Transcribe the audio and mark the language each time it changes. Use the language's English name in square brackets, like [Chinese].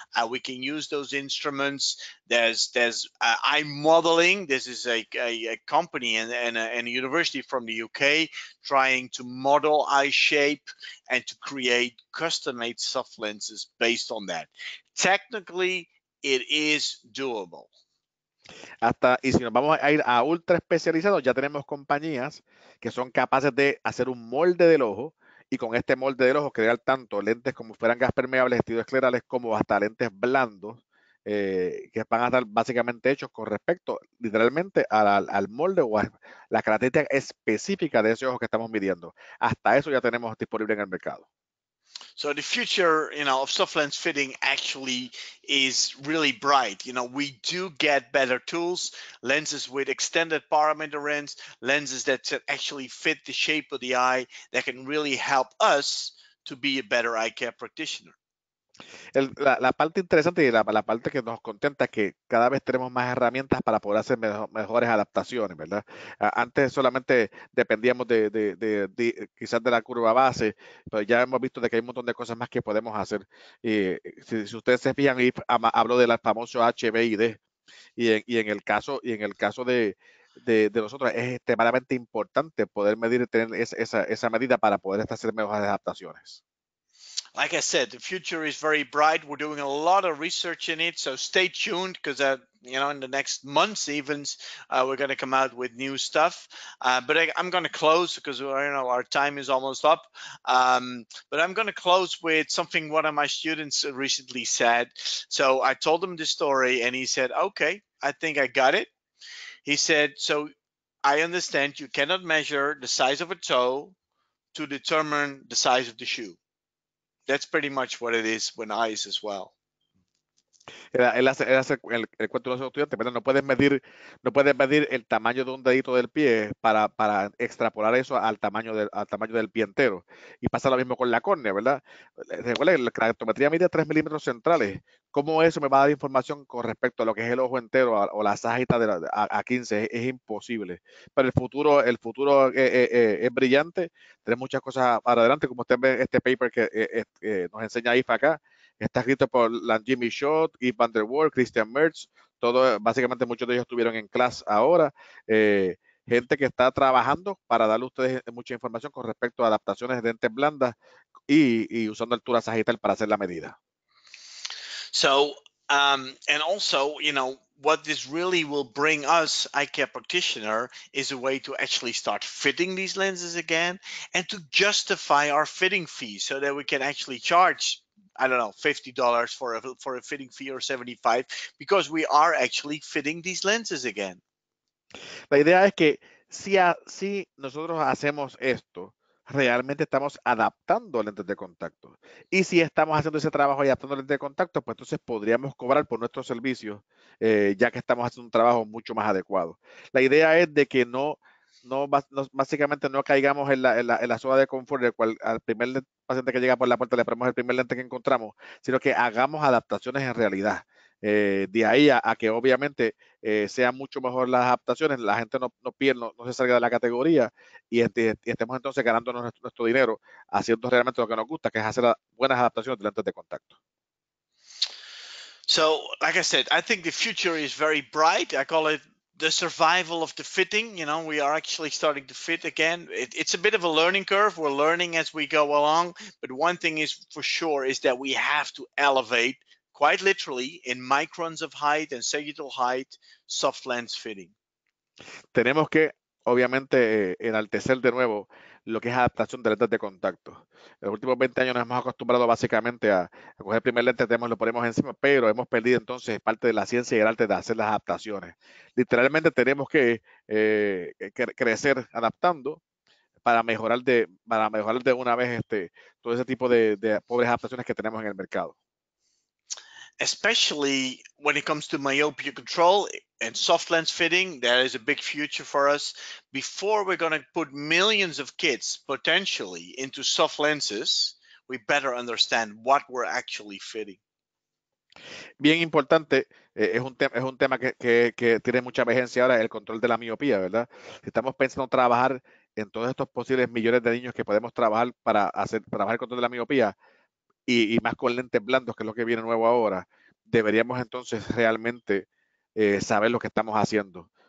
[English] We can use those instruments. There's eye modeling. This is a company and a university from the UK trying to model eye shape and to create custom made soft lenses based on that. Technically, it is doable. [Spanish] Hasta, y si nos vamos a ir a ultra especializados, ya tenemos compañías que son capaces de hacer un molde del ojo y con este molde del ojo crear tanto lentes como fueran gas permeables, estilo esclerales, como hasta lentes blandos que van a estar básicamente hechos con respecto literalmente al molde o a la característica específica de ese ojo que estamos midiendo. Hasta eso ya tenemos disponible en el mercado. [English] So the future, you know, of soft lens fitting actually is really bright. You know, we do get better tools, lenses with extended parameter range, lenses that actually fit the shape of the eye that can really help us to be a better eye care practitioner. [Spanish] La parte interesante y la parte que nos contenta es que cada vez tenemos más herramientas para poder hacer mejores adaptaciones, ¿verdad? Antes solamente dependíamos de quizás de la curva base, pero ya hemos visto de que hay un montón de cosas más que podemos hacer. Y si ustedes se fijan, hablo del famoso HVID y en el caso de nosotros es extremadamente importante poder medir y tener esa medida para poder hacer mejores adaptaciones. [English] Like I said, the future is very bright. We're doing a lot of research in it, so stay tuned because in the next months even, we're going to come out with new stuff. But I'm going to close because our time is almost up. But I'm going to close with something one of my students recently said. So I told him the story and he said, okay, I think I got it. He said, so I understand you cannot measure the size of a toe to determine the size of the shoe. That's pretty much what it is when eyes as well. [Spanish] El cuento de los estudiantes, pero no puedes medir el tamaño de un dedito del pie para extrapolar eso al tamaño del pie entero. Y pasa lo mismo con la córnea, ¿verdad? Recuerda que la optometría mide 3 milímetros centrales. ¿Cómo eso me va a dar información con respecto a lo que es el ojo entero o la sagita a 15? Es imposible. Pero el futuro es brillante. Tenemos muchas cosas para adelante, como usted ve este paper que nos enseña Eef acá. Está escrito por Jimmy Schott, Eef Van Der Worp, Christian Mertz, básicamente muchos de ellos estuvieron en clase ahora. Gente que está trabajando para darle a ustedes mucha información con respecto a adaptaciones de lentes blandas y usando altura sagital para hacer la medida. [English] And also, what this really will bring us, eye care practitioner, is a way to actually start fitting these lenses again and to justify our fitting fees so that we can actually charge, I don't know, $50 for a fitting fee or 75, because we are actually fitting these lenses again. [Spanish] La idea es que si nosotros hacemos esto, realmente estamos adaptando lentes de contacto. Y si estamos haciendo ese trabajo y adaptando lentes de contacto, pues entonces podríamos cobrar por nuestros servicios, ya que estamos haciendo un trabajo mucho más adecuado. La idea es de que no básicamente no caigamos en la zona de confort del cual al primer paciente que llega por la puerta le ponemos el primer lente que encontramos, sino que hagamos adaptaciones en realidad. De ahí a que obviamente sean mucho mejor las adaptaciones, la gente no se salga de la categoría y estemos entonces ganando nuestro dinero haciendo realmente lo que nos gusta, que es hacer buenas adaptaciones de lentes de contacto. [English] So, like I said, I think the future is very bright. I call it the survival of the fitting. We are actually starting to fit again. It's a bit of a learning curve. We're learning as we go along. But one thing is for sure is that we have to elevate, quite literally, in microns of height and sagittal height, soft lens fitting. [Spanish] Tenemos que, obviamente, enaltecer de nuevo lo que es adaptación de lentes de contacto. En los últimos 20 años nos hemos acostumbrado básicamente a coger el primer lente, lo ponemos encima, pero hemos perdido entonces parte de la ciencia y el arte de hacer las adaptaciones. Literalmente tenemos que crecer adaptando para mejorar de una vez todo ese tipo de pobres adaptaciones que tenemos en el mercado. [English] Especially when it comes to myopia control and soft lens fitting, that is a big future for us. Before we're going to put millions of kids potentially into soft lenses, we better understand what we're actually fitting. [Spanish] Bien importante, es un tema que tiene mucha vigencia ahora, el control de la miopía, ¿verdad? Si estamos pensando trabajar en todos estos posibles millones de niños que podemos trabajar para hacer trabajar el control de la miopía y más con lentes blandos, que es lo que viene nuevo ahora, deberíamos entonces realmente saber lo que estamos haciendo.